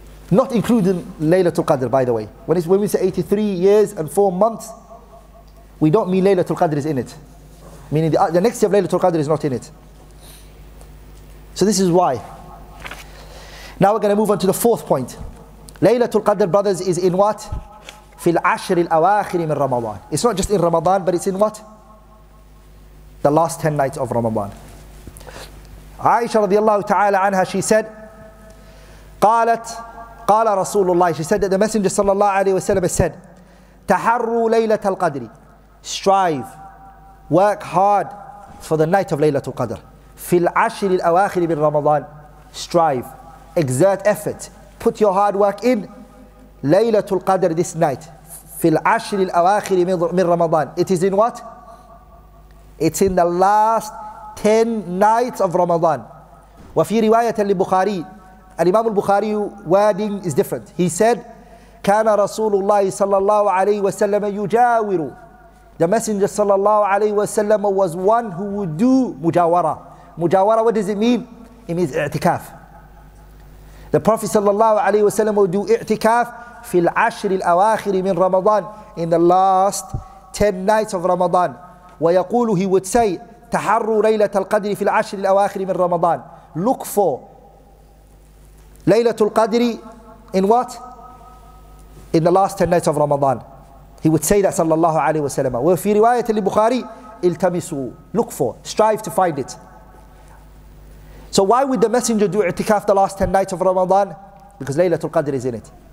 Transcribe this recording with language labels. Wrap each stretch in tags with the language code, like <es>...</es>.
<en>Not including Laylatul Qadr, by the way. When we say 83 years and 4 months, we don't mean Laylatul Qadr is in it. Meaning the next year of Laylatul Qadr is not in it. So this is why. Now we're going to move on to the fourth point. Laylatul Qadr, brothers, is in what?</en> <ar>في العشر الأواخر من رمضان.</ar> <en>It's not just in Ramadan, but it's in what? The last 10 nights of Ramadan. Aisha radiallahu ta'ala anha, she said,</en> <ar>قالت قال رسول الله,</ar> <en>she said that the Messenger صلى الله عليه وسلم said,</en> <ar>تحروا ليلة القدر,</ar> <en>strive, work hard for the night of ليلة القدر,</en> <ar>في العشر الأواخر من رمضان,</ar> <en>strive, exert effort, put your hard work in ليلة القدر, this night, في العشر الأواخر من رمضان, it is in what? It's in the last 10 nights of Ramadan.</en> <ar>وفي رواية لبخاري,</ar> <en>Imam al-Bukhari wording is different. He said,</en> <ar>كان رسول الله صلى الله عليه وسلم يجاور.</ar> <en>The Messenger صلى الله عليه وسلم was one who would do مجاورة. مجاورة, what does it mean? It means اعتكاف. The Prophet صلى الله عليه وسلم would do اعتكاف</en> <ar>في العشر الأواخر من رمضان,</ar> <en>in the last 10 nights of Ramadan.</en> <ar>ويقول,</ar> <en>he would say,</en> <ar>تحروا ليلة القدر في العشر الأواخر من رمضان.</ar> <en>Look for Laylatul Qadri in what? In the last 10 nights of Ramadan. He would say that sallallahu alayhi wa sallam.</en> <ar>Wa fi riwayat al-Bukhari, iltamisu,</ar> <en>look for, strive to find it. So why would the Messenger do i'tikaf the last 10 nights of Ramadan? Because Laylatul Qadri is in it.</en>